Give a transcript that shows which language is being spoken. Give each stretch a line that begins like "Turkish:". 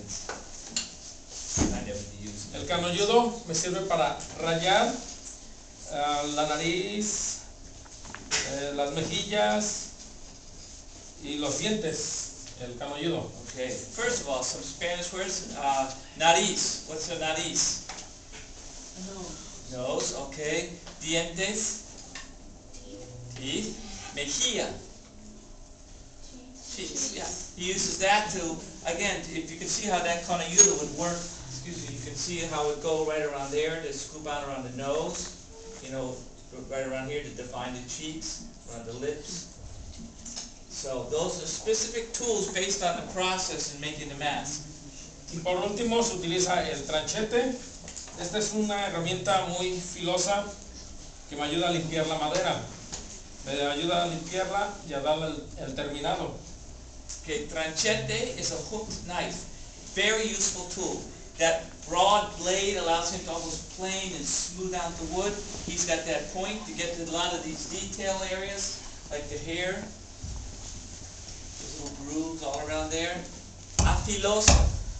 English: It's kind of what you use.
Spanish: El canoyudo me sirve para rayar la nariz, las mejillas, y los dientes. El canoyudo.
English: Okay. First of all, some Spanish words. Nariz. What's a nariz? Nose. Okay.
Spanish: Dientes.
English: Teeth.
Spanish: Mejilla.
English: Cheeks, yeah. He uses that to, again, if you can see how that canoyudo would work, excuse me, you can see how it go right around there to scoop out around the nose, you know, right around here to define the cheeks, around the lips. So those are specific tools based on the process in making the mask.
Spanish: Y por último se utiliza el tranchete. Esta es una herramienta muy filosa que me ayuda a limpiar la madera. Me ayuda a limpiarla y a darle el terminado.
English: Okay, tranchete is a hooked knife. Very useful tool. That broad blade allows him to almost plane and smooth out the wood. He's got that point to get to a lot of these detail areas, like the hair. There's little grooves all around there. Afiloso.